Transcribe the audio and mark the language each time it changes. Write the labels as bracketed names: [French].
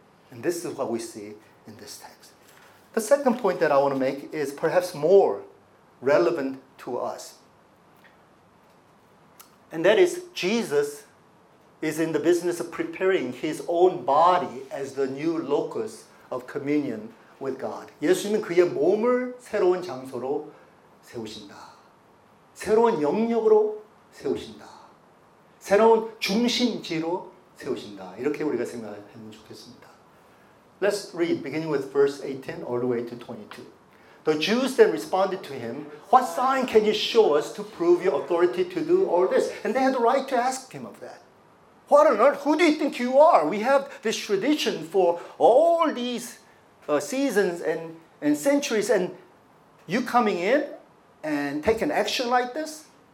[English] And this is what we see in this text. The second point that I want to make is perhaps more relevant to us. And that is, Jesus is in the business of preparing his own body as the new locus of communion with God. [Korean] 예수님은 그의 몸을 새로운 장소로 세우신다. 새로운 영역으로 세우신다. 새로운 중심지로 세우신다. 이렇게 우리가 생각하면 좋겠습니다. [English] Let's read, beginning with verse 18 all the way to 22. The Jews then responded to him, "What sign can you show us to prove your authority to do all this?" And they had the right to ask him of that. What on earth? Who do you think you are? We have this tradition for all these seasons and centuries, and you coming in and taking action like this?